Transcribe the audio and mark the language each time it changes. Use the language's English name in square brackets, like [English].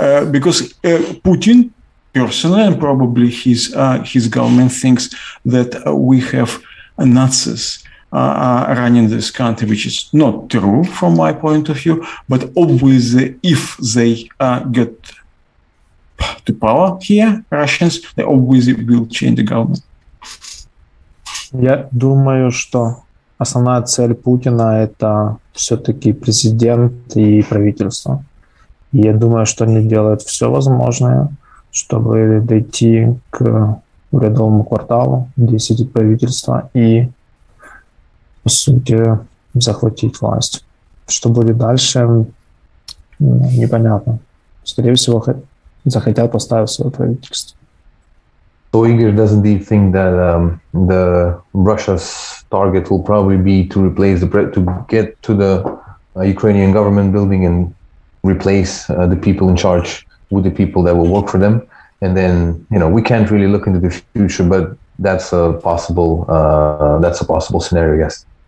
[English] Because Putin personally, and probably his government, thinks that we have Nazis running this country, which is not true from my point of view. But obviously, if they get to power here, Russians, they obviously will change the government. [Russian] Я думаю, что основная цель Путина – это все-таки президент и правительство. Я думаю, что они делают все возможное, чтобы дойти к рядовому кварталу, где сидит правительство, и по сути, захватить власть. Что будет дальше, непонятно. Скорее всего, захотят поставить свое правительство. [English] So Igor, doesn't he think that the Russia's target will probably be to replace the to get to the Ukrainian government building and replace the people in charge with the people that will work for them? And then, you know, we can't really look into the future, but that's a possible scenario, I guess.